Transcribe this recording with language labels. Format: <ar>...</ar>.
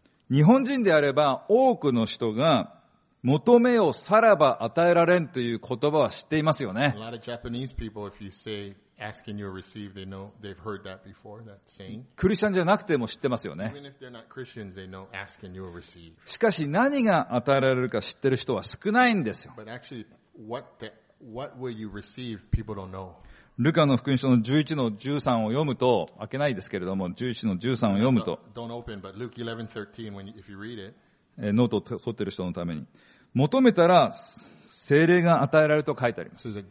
<ja>日本人であれば多くの人が求めよさらば与えられんという言葉は知っていますよね。</ja> <en>A lot of Japanese people, if you say ask and you receive, they know they've heard that before, that saying.</en> <ja>クリスチャンじゃなくても知ってますよね。</ja> <en>Even if they're not Christians, they know ask and you receive.</en> <ja>しかし何が与えられるか知ってる人は少ないんですよ。</ja> <en>But actually, what will you receive? People don't know.</en> <ja>ルカの福音書の11の13を読むと、開けないですけれども、11の13を読むと。</ja> <en>Don't open, but Luke 11:13, when if you read it.</en> <ja>ノートを取っている人のために求めたら聖霊が与えられると書いてあります。</ja>